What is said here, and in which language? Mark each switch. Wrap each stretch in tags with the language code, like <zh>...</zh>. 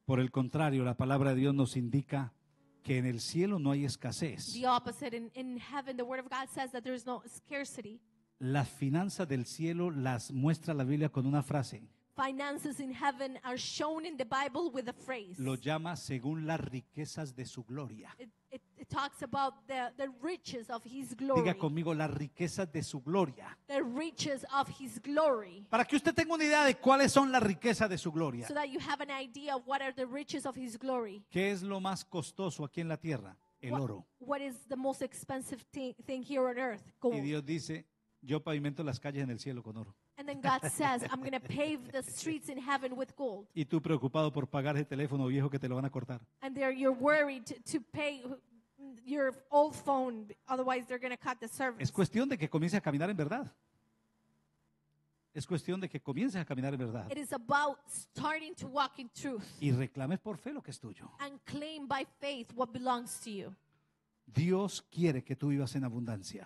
<es>Por el contrario, la palabra de Dios nos indica que en el cielo no hay escasez.</es> <en>The opposite, in heaven, the word of God says that there is no scarcity.</en> <es>Las finanzas del cielo las muestra la Biblia con una frase.</es> <en>Finances in heaven are shown in the Bible with a phrase.</en> <es>Lo llama según las riquezas de su gloria.</es> <en>It talks about the riches of his glory.</en> <es>Diga conmigo, las riquezas de su gloria.</es> <en>The riches of his glory.</en> <es>Para que usted tenga una idea de cuáles son las riquezas de su gloria.</es> <en>So that you have an idea of what are the riches of his glory.</en> <es>¿Qué es lo más costoso aquí en la tierra? El oro.</es> <en>What is the most expensive thing here on earth? Gold.</en> <es>Y Dios dice, yo pavimento las calles en el cielo con oro.</es> <en>And then God says, I'm going to pave the streets in heaven with gold.</en> <es>Y tú preocupado por pagar ese teléfono viejo que te lo van a cortar.</es> <en>And there you're worried to pay your old phone, otherwise they're going to cut the service.</en> <es>Es cuestión de que comiences a caminar en verdad. Es cuestión de que comiences a caminar en verdad.</es> <en>It is about starting to walk in truth.</en> <es>Y reclames por fe lo que es tuyo.</es> <en>And claim by faith what belongs to you.</en> <es>Dios quiere que tú vivas en abundancia.</es>